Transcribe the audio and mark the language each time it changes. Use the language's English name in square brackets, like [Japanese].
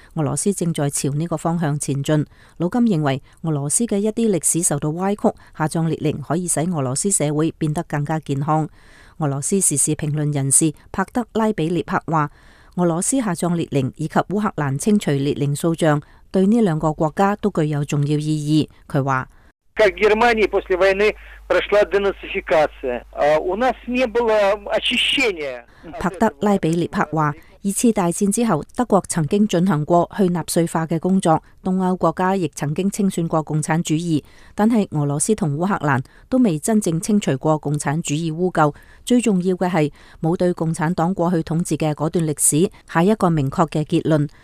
[Chinese] 俄罗斯正在朝这个方向前进。鲁金认为，俄罗斯的一些历史受到歪曲，下葬列宁可以使俄罗斯社会变得更加健康。俄罗斯时事评论人士帕德拉比列克说，俄罗斯下葬列宁以及乌克兰清除列宁塑像对这两个国家都具有重要意义。他说， [Russian] как в Германии после войны прошла денацификация. У нас не было очищения. [Chinese] 帕德拉比列克说，二次大战之后，德国曾经进行过去纳粹化的工作，东欧国家亦曾经清算过共产主义，但是俄罗斯和乌克兰都未真正清除过共产主义污垢。最重要的是，没有对共产党过去统治的那段历史下一个明确的结论。